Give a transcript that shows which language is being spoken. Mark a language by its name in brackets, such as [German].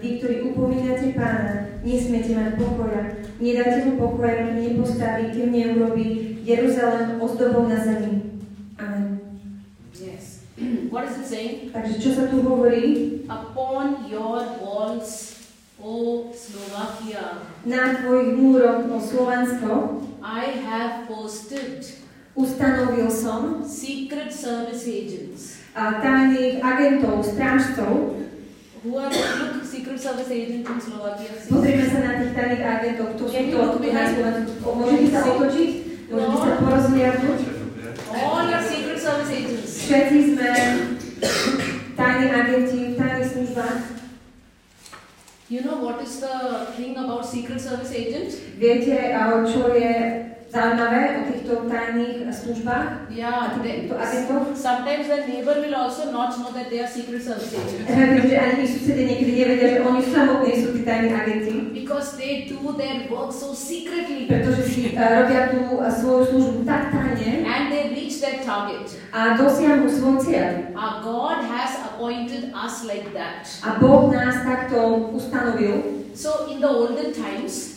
[Slovak] Vy, ktorí upomínate Pána, nesmiete mať pokoja. Nedáte mu pokoja, kým nepostaví, kým neurobí Jeruzalém ozdobou na zemi. Amen. [English] Yes. What is it saying? [Slovak] Takže čo sa tu hovorí? [English] Upon your walls, O Slovakia. [Slovak] Na tvojich múroch, O Slovensko. [English] I have posted. [Slovak] Ustanovil som. [English] Secret service agents. [Slovak] A tajných agentov, strážcov. [English] Who are the secret service agents in Slovakia? [Slovak] Pozrime sa na tých tajných agentov. Kto je to? Kto je na Slovensku? Môžete sa otočiť? Môžete sa porozliadnuť? [English] All your secret service agents. [Slovak] Všetci sme tajní agenti v tajných službách. [English] You know what is the thing about secret service agents? [Slovak] Viete, čo je zaujímavé o týchto tajných službách? [English] Yeah, sometimes the neighbor will also not know that they are secret service agents. [Slovak] Takže ani susedy niekedy nevedia, že oni samotné sú tí tajní agenti. [English] Because they do their work so secretly. [Slovak] Pretože si robia tú svoju službu tak tajne. [English] And they reach their target. [Slovak] A dosiahnu svoj cieľ. [English] Our God has appointed us like that. [Slovak] A Boh nás takto ustanovil. [English] So in the olden times,